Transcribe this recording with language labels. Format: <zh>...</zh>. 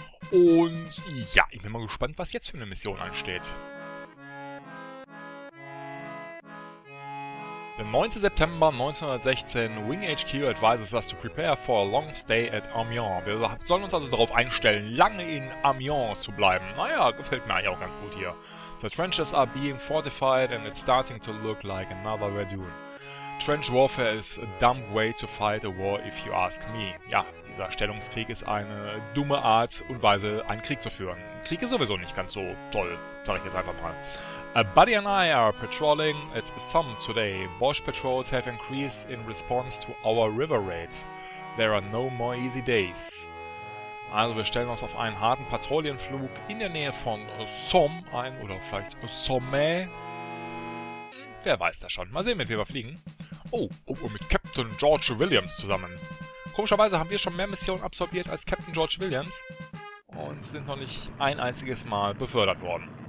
<de>Und ja, ich bin mal gespannt, was jetzt für eine Mission ansteht. Der 9. September</de> <en>1916, Wing HQ advises us to prepare for a long stay at Amiens.</en> <de>Wir sollen uns also darauf einstellen, lange in Amiens zu bleiben. Naja, gefällt mir eigentlich auch ganz gut hier.</de> <en>The trenches are being fortified and it's starting to look like another Verdun. Trench warfare is a dumb way to fight a war if you ask me.</en> <de>Ja, dieser Stellungskrieg ist eine dumme Art und Weise, einen Krieg zu führen. Krieg ist sowieso nicht ganz so toll, sag ich jetzt einfach mal.</de> <en>A buddy and I are patrolling at some today. Bosch patrols have increased in response to our river raids. There are no more easy days.</en> <de>Also wir stellen uns auf einen harten Patrouillenflug in der Nähe von Somme ein, oder vielleicht Somme. Wer weiß das schon. Mal sehen, mit wem wir fliegen. Oh, mit Captain George Williams zusammen. Komischerweise haben wir schon mehr Missionen absolviert als Captain George Williams und sind noch nicht ein einziges Mal befördert worden.</de>